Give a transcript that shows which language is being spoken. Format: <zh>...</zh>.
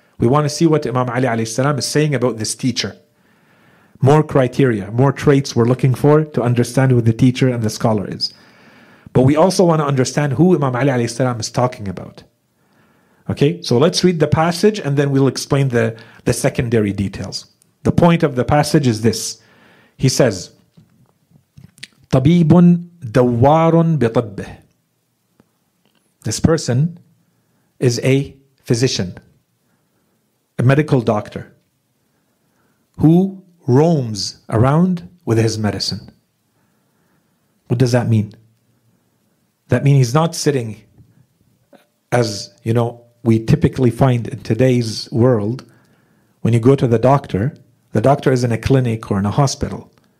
<en>We want to see what Imam Ali alayhi salam is saying about this teacher. More criteria, more traits we're looking for to understand who the teacher and the scholar is. But we also want to understand who Imam Ali alayhi salam is talking about. Okay, so let's read the passage and then we'll explain the secondary details. The point of the passage is this. He says,</en> <ar>طَبِيبٌ دَوَّارٌ بِطَبِّهِ.</ar> <en>This person is a physician, a medical doctor, who roams around with his medicine. What does that mean? That means he's not sitting, as you know, we typically find in today's world, when you go to the doctor is in a clinic or in a hospital.</en>